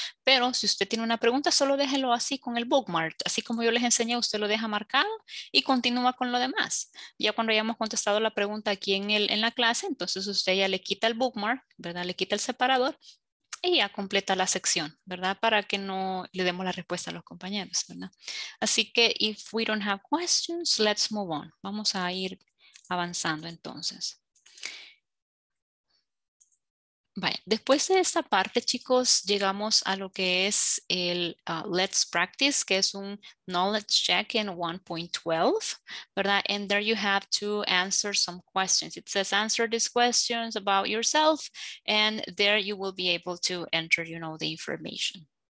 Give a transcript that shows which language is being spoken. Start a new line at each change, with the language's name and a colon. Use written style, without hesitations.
Spanish: Pero si usted tiene una pregunta, solo déjelo así con el bookmark, así como yo les enseñé, usted lo deja marcado y continúa con lo demás. Ya cuando hayamos contestado la pregunta aquí en la clase, entonces usted ya le quita el bookmark, ¿verdad? Le quita el separador. Y ya completa la sección, ¿verdad? Para que no le demos la respuesta a los compañeros, ¿verdad? Así que,
English: if we don't have questions, let's move on.
Spanish: Vamos a ir avanzando entonces. Vale. Después de esta parte, chicos, llegamos a lo que es el Let's Practice, que es un Knowledge Check in 1.12, ¿verdad?
English: And there you have to answer some questions. It says answer these questions about yourself, and there you will be able to enter, you know, the information.